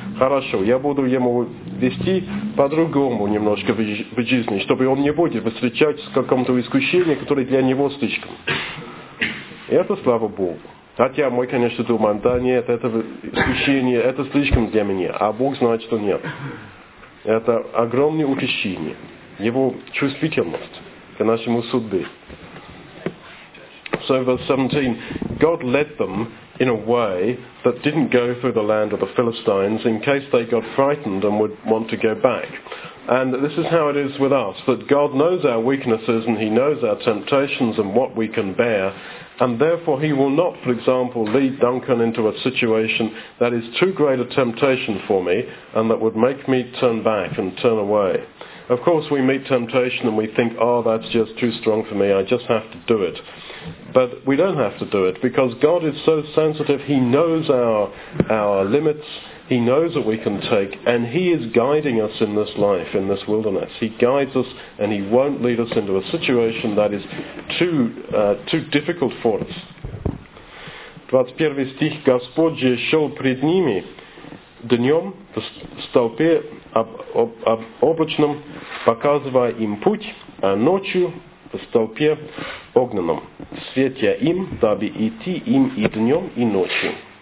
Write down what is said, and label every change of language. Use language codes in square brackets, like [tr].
[ru] Хорошо, я буду ему вести по-другому немножко в жизни, чтобы он не будет встречать с каким-то искушением, которое для него слишком. Это слава Богу. Хотя мы, конечно, думаем, да нет, это искушение, это слишком для меня. А Бог знает, что нет. Это огромное утешение. Его чувствительность к нашему судьбе. [en] So verse 17, God led them in a way that didn't go through the land of the Philistines in case they got frightened and would want to go back. And this is how it is with us, that God knows our weaknesses and he knows our temptations and what we can bear, and therefore he will not, for example, lead Duncan into a situation that is too great a temptation for me and that would make me turn back and turn away. Of course, we meet temptation and we think, oh, that's just too strong for me, I just have to do it. But we don't have to do it because God is so sensitive, he knows our limits, he knows that we can take, and he is guiding us in this life, in this wilderness. He guides us and he won't lead us into a situation that is too difficult for us. [ru] 21 стих, Господь же шел пред ними днем в столпе облачном, показывая им путь, а ночью в столпе огненном, светя им, дабы идти им и днем, и ночью.